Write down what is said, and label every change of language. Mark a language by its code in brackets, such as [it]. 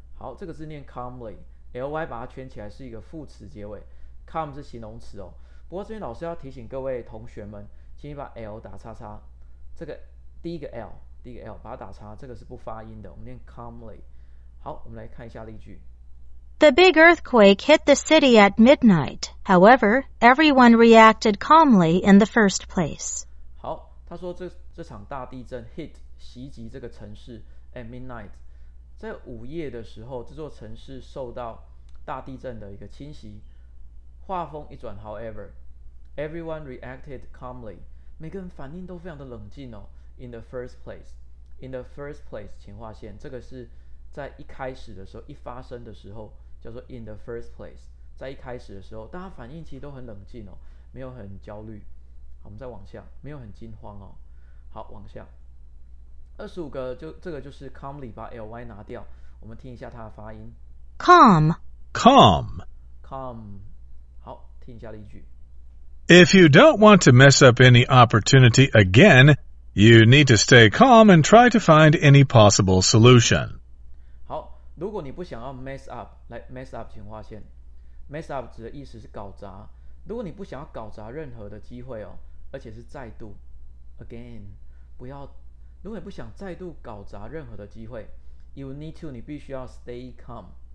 [zh] 好，这个字念 calmly， ly 把它圈起来是一个副词结尾， calm 是形容词哦。不过这边老师要提醒各位同学们，请你把 l 打叉叉，这个第一个 lD L 把它打叉，这个是不发音的，我们念 calmly。好，我们来看一下例句。 [en] The big earthquake hit the city at midnight. However, everyone reacted calmly in the first place. [zh] 好，他说 这场大地震 hit 袭击这个城市 [en] at midnight， [zh] 在午夜的时候，这座城市受到大地震的一个侵袭。话锋一转 [en] ，However, everyone reacted calmly. [zh] 每个人反应都非常的冷静哦。 [en] In the first place, [zh] in the first place， 前划线，这个是在一开始的时候，一发生的时候叫做 in the first place， 在一开始的时候，大家反应其实都很冷静哦，没有很焦虑。好，我们再往下，没有很惊慌哦。好，往下，25个就这个就是 calmly， 把 ly 拿掉，我们听一下它的发音 [en] ，calm， calm， [zh] calm。 好，听一下例句。 [en] If you don't want to mess up any opportunity again。 You need to stay calm and try to find any possible solution. [zh] 好，如果你不想要 mess up， 来 mess up 请划线。 mess up 指的意思是搞砸。如果你不想要搞砸任何的机会哦，而且是再度 again， 不要。如果你不想再度搞砸任何的机会 ， [en] you need to， [zh] 你必须要 [en] stay calm。